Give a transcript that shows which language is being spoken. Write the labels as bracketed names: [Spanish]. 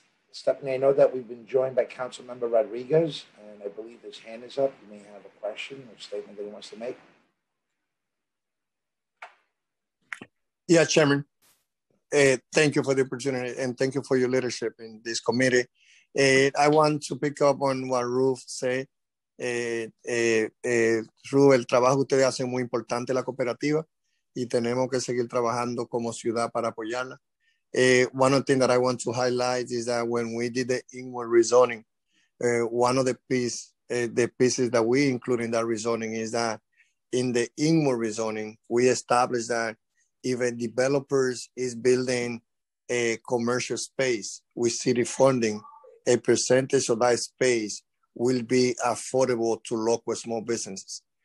[English] Stephanie, I know that we've been joined by Councilmember Rodriguez, and I believe his hand is up. You may have a question or statement that he wants to make. Yeah, Chairman. Thank you for the opportunity, and thank you for your leadership in this committee. I want to pick up on what Ruth said. [Spanish] Ruth, el trabajo que ustedes hacen es muy importante en la cooperativa. Y tenemos que seguir trabajando como ciudad para apoyarla. [English] One of the things that I want to highlight is that when we did the inward rezoning, one of the pieces that we include in that rezoning is that in the inward rezoning, we established that if a developer is building a commercial space with city funding, a percentage of that space will be affordable to local small businesses.